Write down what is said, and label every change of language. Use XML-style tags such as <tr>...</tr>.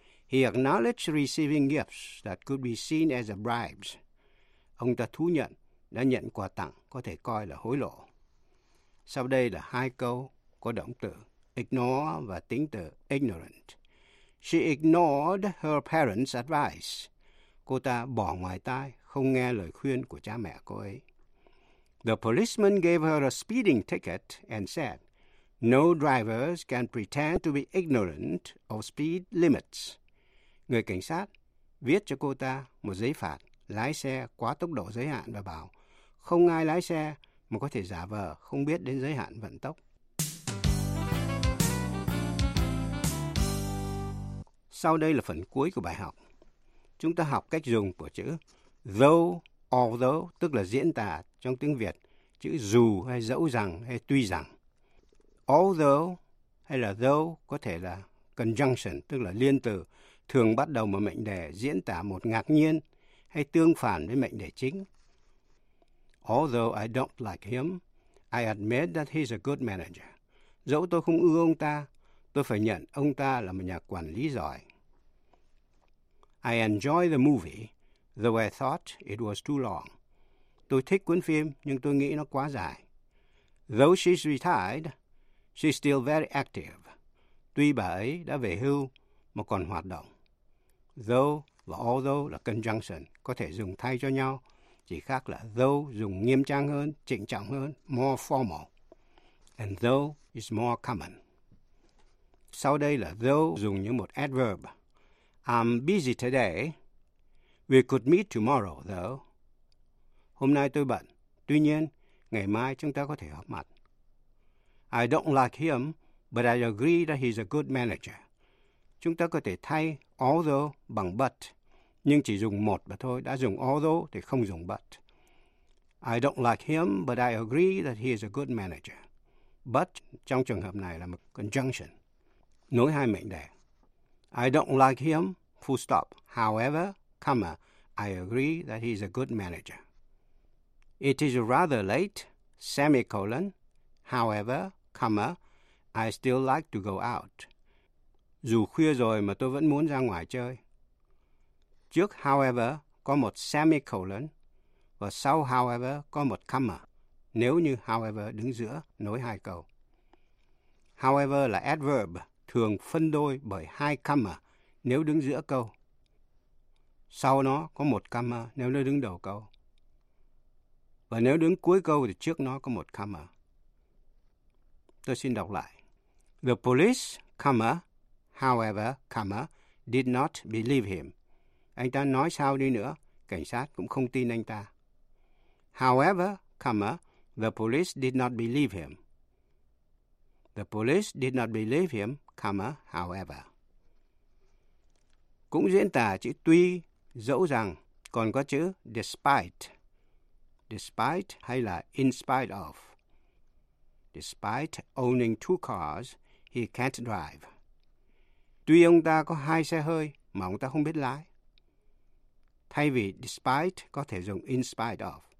<en>He acknowledged receiving gifts that could be seen as a bribes.</en> <vi>Ông ta thú nhận, đã nhận quà tặng, có thể coi là hối lộ. Sau đây là hai câu có động từ ignore và tính từ ignorant.</vi> <en>She ignored her parents' advice.</en> <vi>Cô ta bỏ ngoài tai, không nghe lời khuyên của cha mẹ cô ấy.</vi> <en>The policeman gave her a speeding ticket and said, no drivers can pretend to be ignorant of speed limits.</en> <vi>Người cảnh sát viết cho cô ta một giấy phạt lái xe quá tốc độ giới hạn và bảo, không ai lái xe mà có thể giả vờ không biết đến giới hạn vận tốc. Sau đây là phần cuối của bài học. Chúng ta học cách dùng của chữ though, although, tức là diễn tả trong tiếng Việt, chữ dù hay dẫu rằng hay tuy rằng. Although hay là though có thể là conjunction, tức là liên từ, thường bắt đầu một mệnh đề diễn tả một ngạc nhiên hay tương phản với mệnh đề chính.</vi> <en>Although I don't like him, I admit that he's a good manager.</en> <vi>Dẫu tôi không ưa ông ta, tôi phải nhận ông ta là một nhà quản lý giỏi.</vi> <en>I enjoy the movie, though I thought it was too long.</en> <vi>Tôi thích cuốn phim, nhưng tôi nghĩ nó quá dài.</vi> <en>Though she's retired, she's still very active.</en> <vi>Tuy bà ấy đã về hưu, mà còn hoạt động. Though và although là conjunction, có thể dùng thay cho nhau. Chỉ khác là though dùng nghiêm trang hơn, trịnh trọng hơn,</vi> <en>more formal. And though is more common.</en> <vi>Sau đây là though dùng như một adverb.</vi> <en>I'm busy today. We could meet tomorrow, though.</en> <vi>Hôm nay tôi bận. Tuy nhiên, ngày mai chúng ta có thể họp mặt.</vi> <en>I don't like him, but I agree that he's a good manager.</en> <vi>Chúng ta có thể thay although bằng but, nhưng chỉ dùng một mà thôi. Đã dùng although thì không dùng but.</vi> <en>I don't like him, but I agree that he is a good manager.</en> <vi>But trong trường hợp này là một conjunction, nối hai mệnh đề.</vi> <en>I don't like him, full stop. However, comma, I agree that he is a good manager. It is rather late, semicolon. However, comma, I still like to go out.</en> <vi>Dù khuya rồi mà tôi vẫn muốn ra ngoài chơi. Trước however có một semicolon và sau however có một comma, nếu như however đứng giữa nối hai câu. However là adverb, thường phân đôi bởi hai comma nếu đứng giữa câu. Sau nó có một comma nếu nó đứng đầu câu. Và nếu đứng cuối câu thì trước nó có một comma. Tôi xin đọc lại.</vi> <en>The police, comma, however, comma, did not believe him.</en> <vi>Anh ta nói sao đi nữa, cảnh sát cũng không tin anh ta.</vi> <en>However, comma, the police did not believe him. The police did not believe him, comma, however.</en> <vi>Cũng diễn tả chữ tuy, dẫu rằng, còn có chữ despite.</vi> <en>Despite hay là in spite of. Despite owning two cars, he can't drive.</en> <vi>Tuy ông ta có hai xe hơi mà ông ta không biết lái. Thay vì despite có thể dùng in spite of.</vi>